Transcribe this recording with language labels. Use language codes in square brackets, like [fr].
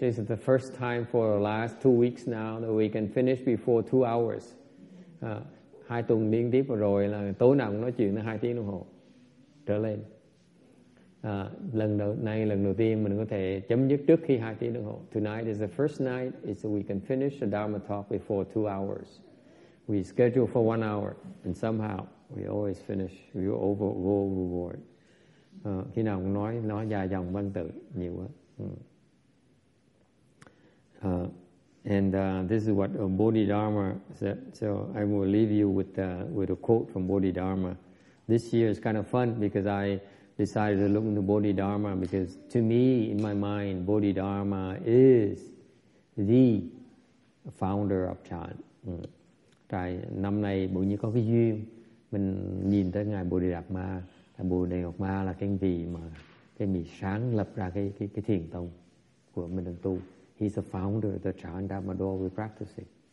[en] This is the first time for the last 2 weeks now that we can finish before 2 hours. [vi] Hai tuần liên tiếp rồi là tối nào cũng nói chuyện là 2 tiếng đồng hồ trở lên. Lần đầu tiên mình có thể chấm dứt trước khi 2 tiếng đồng hồ. [en] Tonight is the first night is so we can finish the Dharma talk before 2 hours. We schedule for 1 hour and somehow we always finish. We overreward. [vi] Khi nào cũng nói dài dòng văn tự nhiều quá. [en] This is what Bodhidharma said. So I will leave you with a quote from Bodhidharma. This year is kind of fun because I decided to look into Bodhidharma, because to me, in my mind, Bodhidharma is the founder of Chan. [vi] Tại năm nay bỗng nhiên có cái duyên mình nhìn tới ngài Bodhidharma. Bodhidharma là cái vị sáng lập ra cái thiền tông của mình đang tu. [en] He's the founder of the Chan Dharma Door we're practicing.